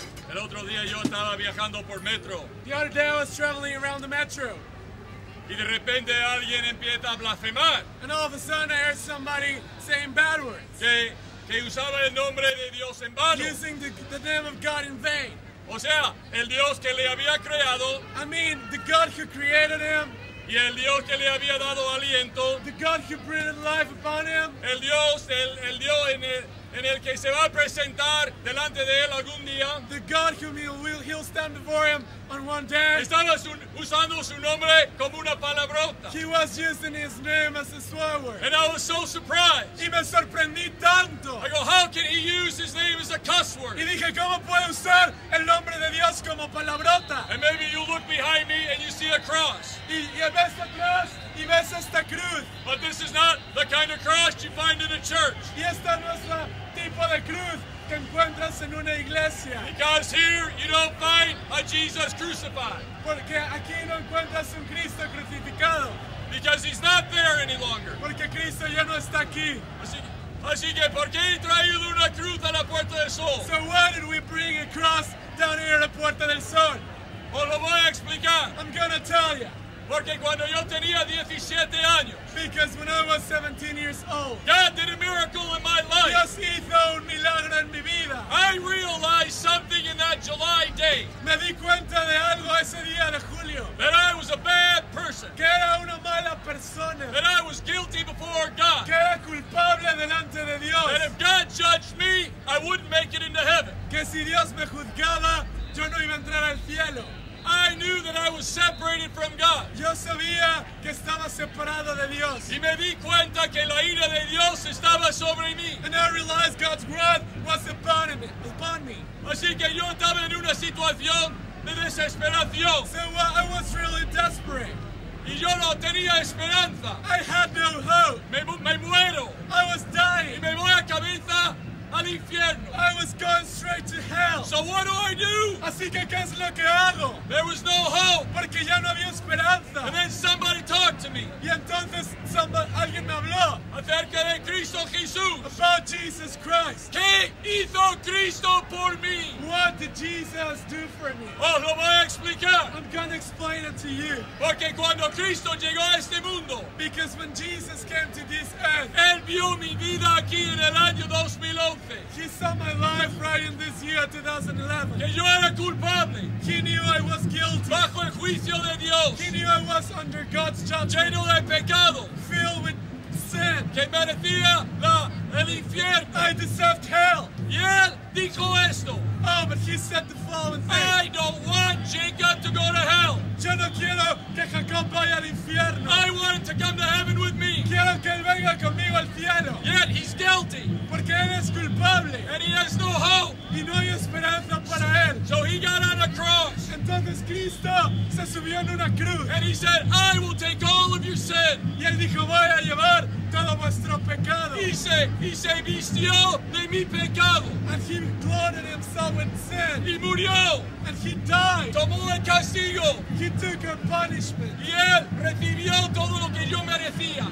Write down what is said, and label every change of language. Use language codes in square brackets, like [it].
[es] El otro día yo estaba viajando por metro. [en] The other day I was traveling around the metro. [es] Y de repente alguien empieza a blasfemar. [en] And all of a sudden I heard somebody saying bad words. [es] Que usaba el nombre de Dios en vano. [en] Using the name of God in vain. [es] O sea, el Dios que le había creado. [en] I mean, the God who created him. [es] Y el Dios que le había dado aliento. [en] The God who breathed life upon him. [es] El Dios en el que se va a presentar delante de él algún día. [en] The God whom he'll stand before him on one day. [es] Estaba usando su nombre como una palabrota. [en] He was using his name as a swear word. And I was so surprised. [es] Y me sorprendí tanto. [en] I go, how can he use his name as a cuss word? [es] Y dije, ¿cómo puede usar el nombre de Dios como palabrota? [en] And maybe you look behind me and you see a cross. [es] Y ves la cruz. Y ves esta cruz. [en] But this is not the kind of cross you find in a church. [es] Y esta no es la tipo de cruz que encuentras en una iglesia. [en] Because here you don't find a Jesus crucified. [es] Porque aquí no encuentras un Cristo crucificado. [en] Because he's not there any longer. [es] Porque Cristo ya no está aquí. Así que, ¿por qué he traído una cruz a la Puerta del Sol? [en] So why did we bring a cross down here at the Puerta del Sol? [es] Os lo voy a explicar. [en] I'm gonna tell you. [es] Porque cuando yo tenía 17 años, [en] because when I was 17 years old, God did a miracle in my life. [es] Dios hizo un milagro en mi vida. [en] I realized something in that July day. [es] Me di cuenta de algo ese día de julio. [en] That I was a bad person. [es] Que era una mala persona. [en] That I was guilty before God. [es] Que era culpable delante de Dios. [en] That if God judged me, I wouldn't make it into heaven. [es] Que si Dios me juzgaba, yo no iba a entrar al cielo. [en] I knew that I was separated from God. [es] Yo sabía que estaba separado de Dios. Y me di cuenta que la ira de Dios estaba sobre mí. [en] And I realized God's wrath was upon me. [es] Así que yo estaba en una situación de desesperación. [en] So I was really desperate. [es] Y yo no tenía esperanza. [en] I had no hope. [es] Me muero. [en] I was dying. [es] Y me voy a cabeza al infierno. [en] I was going straight to hell. So what do I do? [es] Así que, ¿qué es lo que hago? [en] There was no hope. [es] Porque ya no había esperanza. [en] And then somebody talked to me. [es] Y entonces alguien me habló. Acerca de Cristo Jesús. [en] About Jesus Christ. [es] ¿Qué hizo Cristo por mí? [en] What did Jesus do for me? [es] Oh, lo voy a explicar. [en] I'm going to explain it to you. [es] Porque cuando Cristo llegó a este mundo. [en] Because when Jesus came to this earth. [es] Él vio mi vida aquí en el año 2011. [en] He saw my life right in this year, 2011. [es] Que yo era culpable. [en] He knew I was guilty. [es] Bajo el juicio de Dios. [en] He knew I was under God's judgment. [es] Lleno de pecado. [en] Filled with sin. [es] Que merecía el infierno. [en] I deserved hell. [es] Y él dijo esto. [en] Oh, but he said the following thing. I don't want Jacob to go to hell. [es] Yo no quiero que Jacob vaya al infierno. [en] I want him to come to heaven with me. [es] Quiero que él venga conmigo al cielo. [en] Yet he's guilty. [es] Porque él es culpable. [en] And he has no hope. [es] Y no hay esperanza para él. [en] So he got on a cross. [es] Entonces Cristo se subió en una cruz. [en] And he said, I will take all of your sin. [es] Y él dijo, voy a llevar todo vuestro pecado. Y se vistió de mi pecado. [en] And he clothed himself with sin. [es] Y murió. [en] And he died. [es] Tomó el castigo. [en] He took a punishment. [es] Y él recibió todo lo que yo merecía.